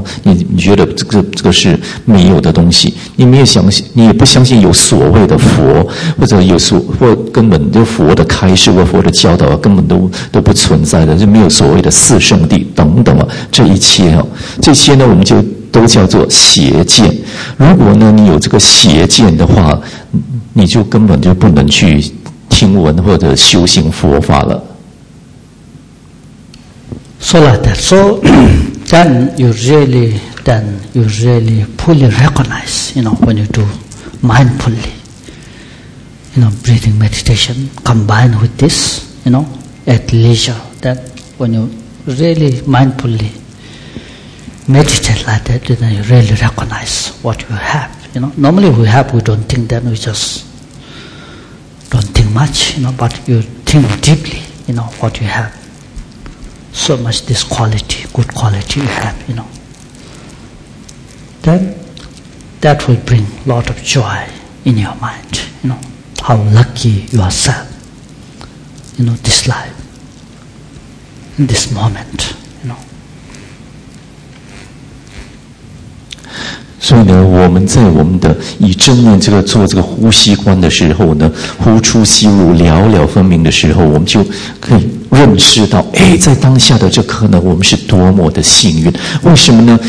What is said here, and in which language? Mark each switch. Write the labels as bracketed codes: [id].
[zh] 哈，你觉得这个是没有的东西，你没有相信，你也不相信有所谓的佛，或根本就佛的开示或佛的教导根本都不存在的，就没有所谓的四圣地等等啊，这一切啊，这些呢，我们就都叫做邪见。如果呢，你有这个邪见的话，你就根本就不能去听闻或者修行佛法了。 [en] So like that. So then you really fully recognize, you know, when you do mindfully, you know, breathing meditation combined with this, you know, at leisure, that when you really mindfully meditate like that, then you really recognize what you have. You know, normally we don't think, then we just don't think much, you know, but you think deeply, you know, what you have. So much this quality, good quality you have, you know. Then that will bring a lot of joy in your mind, you know. How lucky you are, Sam, you know, this life, in this moment. [zh] 所以呢，我们在我们的以正念这个做这个呼吸观的时候呢，呼出吸入了了分明的时候，我们就可以认识到，哎，在当下的这刻呢，我们是多么的幸运。为什么呢？